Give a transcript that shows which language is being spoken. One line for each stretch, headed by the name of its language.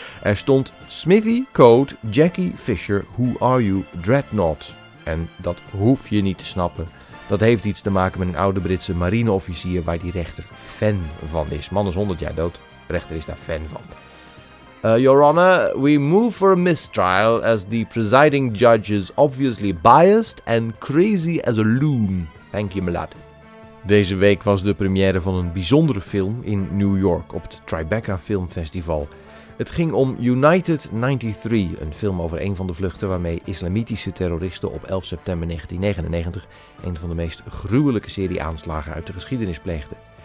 Dutch: Er stond:
English: "Smithy Code Jackie Fisher, who are you, Dreadnought?"
Dutch: En dat hoef je niet te snappen. Dat heeft iets te maken met een oude Britse marineofficier waar die rechter fan van is. Man is 100 jaar dood. Rechter is daar fan van.
English: Your Honor, we move for a mistrial as the presiding judge is obviously biased and crazy as a loon. Thank you, my lad.
Dutch: Deze week was de première van een bijzondere film in New York op het Tribeca Film Festival. Het ging om United 93, een film over een van de vluchten waarmee islamitische terroristen op 11 september 1999 een van de meest gruwelijke serie aanslagen uit de geschiedenis pleegden.